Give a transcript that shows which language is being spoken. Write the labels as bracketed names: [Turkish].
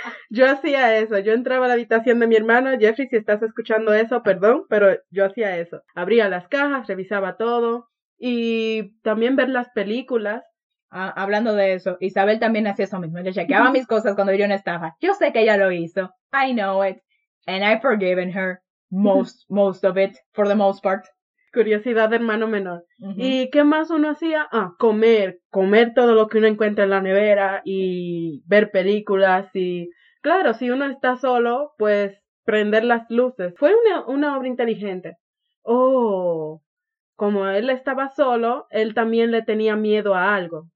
[Spanish] Yo hacía eso, yo entraba a la habitación de mi hermano, Jeffrey, si estás escuchando eso, perdón, pero yo hacía eso. Abría las cajas, revisaba todo y también ver las películas. Hablando de eso, Isabel también hacía eso mismo. Ella chequeaba mis cosas cuando yo no estaba. Yo sé que ella lo hizo. [English] I know it. And I've forgiven her most of it, for the most part. [Spanish] Curiosidad de hermano menor. Uh-huh. ¿Y qué más uno hacía? Ah, comer todo lo que uno encuentra en la nevera y ver películas. Y claro, si uno está solo, pues prender las luces. Fue una obra inteligente. Oh, como él estaba solo, él también le tenía miedo a algo.